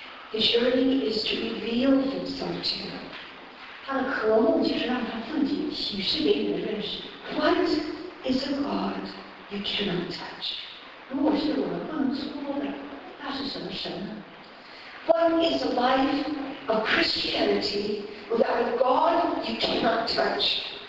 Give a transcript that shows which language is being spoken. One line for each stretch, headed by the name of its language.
English: His yearning is to reveal himself to you.
Chinese: 他的渴慕就是让他自己启示给你的认识.
English: What is a God you cannot touch?
Chinese: 如果是我们不能触摸的, 那是什么神呢?
English: What is a life of Christianity without a God you cannot touch?